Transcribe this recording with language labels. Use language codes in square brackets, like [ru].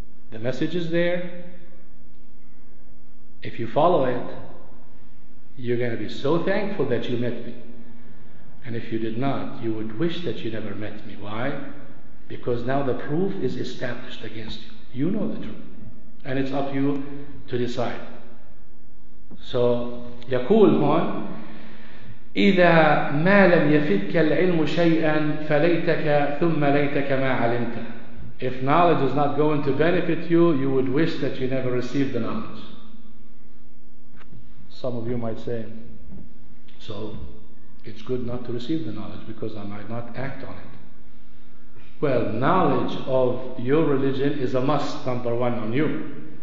[en] The message is there. If you follow it, you're going to be so thankful that you met me. And if you did not, you would wish that you never met me. Why? Because now the proof is established against you. You know the truth. And it's up to you to decide. [ar] So, يقول هون إذا ما لم يفدك العلم شيئا فليتك ثم ليتك ما علمت. [en] If knowledge is not going to benefit you, you would wish that you never received the knowledge. Some of you might say, so it's good not to receive the knowledge because I might not act on it. Well, knowledge of your religion is a must, number one, on you.